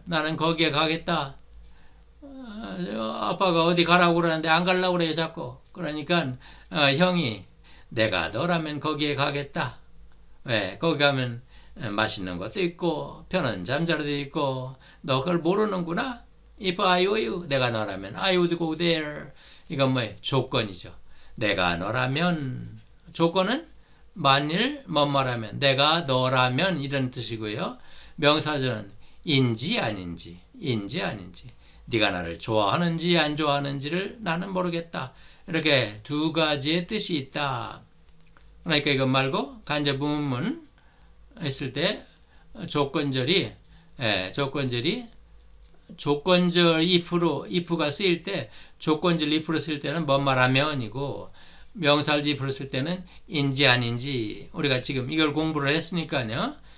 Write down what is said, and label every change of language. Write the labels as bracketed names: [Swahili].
[Korean] 나는 거기에 가겠다. 아빠가 어디 가라고 그러는데 안 가려고 그래요, 자꾸. 그러니까 형이 내가 너라면 거기에 가겠다. 왜? 거기 가면 맛있는 것도 있고 편한 잠자리도 있고 너 그걸 모르는구나? [English] If I were you, [Korean] 내가 너라면 [English] I would go there. [Korean] 이건 뭐예요? 조건이죠. 내가 너라면 조건은 만일 뭐뭐라면 내가 너라면 이런 뜻이고요. 명사절은 인지 아닌지, 인지 아닌지, 네가 나를 좋아하는지 안 좋아하는지를 나는 모르겠다. 이렇게 두 가지의 뜻이 있다. 그러니까 이거 말고 간접부문 했을 때 조건절이, 예, 조건절이 조건절 if로 if가 쓰일 때 조건절 if로 쓸 때는 뭐뭐라면이고 명사를 if로 쓸 때는 인지 아닌지 우리가 지금 이걸 공부를 했으니까요.